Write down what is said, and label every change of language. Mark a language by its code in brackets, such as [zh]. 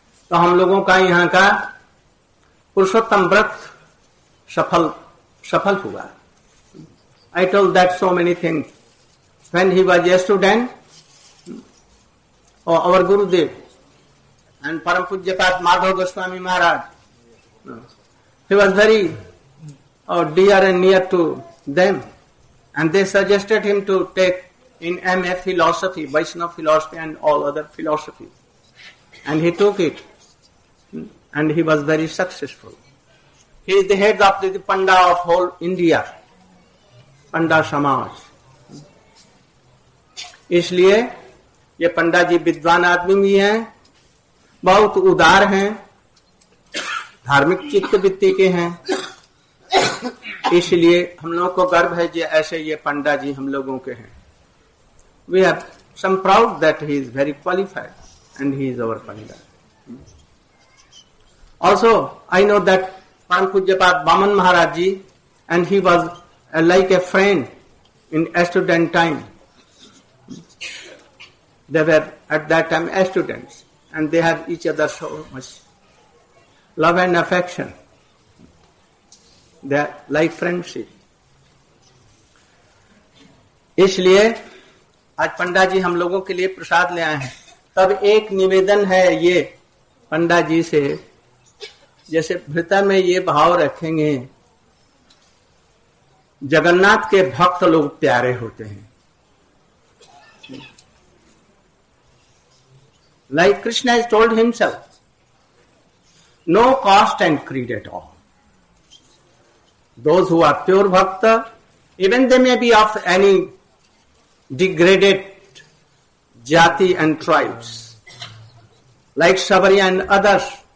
[hi] तो हम लोगों का यहाँ का पुरुषोत्तम व्रत सफल हुआ। [en] I told that so many things when he was a student और our Gurudev and Param Pujyapad Madhav Goswami Maharaj. He was very or dear and near to them. And they suggested him to take in M.A. philosophy, Vaishnava philosophy and all other philosophies. And he took it. And he was very successful. He is the head of the Panda of whole India. Panda Samaj. [hi] इसलिए ये पंडा जी विद्वान आदमी भी हैं, बहुत उदार हैं, धार्मिक चित्त वृत्ति के हैं, इसलिए हम लोगों को गर्व है जो ऐसे ये पंडा जी हम लोगों के हैं. [en] We have some proud that he is very qualified and he is our panda. Also I know that Param Pujyapad Baman Maharaj ji and he was like a friend in student time. They were at that time as students and they had each other so much love and affection. Their life friendship. [hi] इसलिए आज पंडा जी हम लोगों के लिए प्रसाद ले आए हैं. तब एक निवेदन है ये पंडा जी से, जैसे भीतर में ये भाव रखेंगे, जगन्नाथ के भक्त लोग प्यारे होते हैं. [en] Like Krishna has told himself, no caste and creed at all. Those who are pure bhakta, even they may be of any degraded jati and tribes, like Shabari and others.